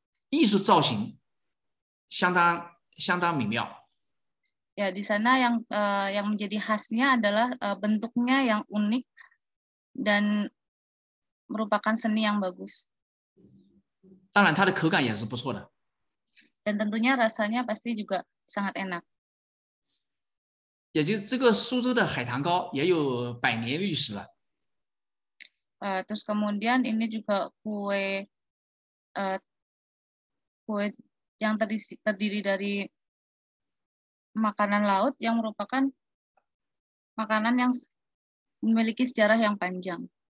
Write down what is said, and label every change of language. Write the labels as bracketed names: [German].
[Chinese] 艺术造型相当美妙。 [Indonesian] Ya, di sana yang menjadi khasnya adalah bentuknya yang unik dan merupakan seni yang bagus. [Chinese] 当然它的口感也是不错的。 [Indonesian] Dan tentunya rasanya pasti juga sangat enak. [Chinese] 也就是这个苏州的海棠糕也有百年历史了。 [Indonesian] Terus kemudian ini juga kue yang terdiri dari makanan laut yang merupakan makanan yang memiliki sejarah yang panjang.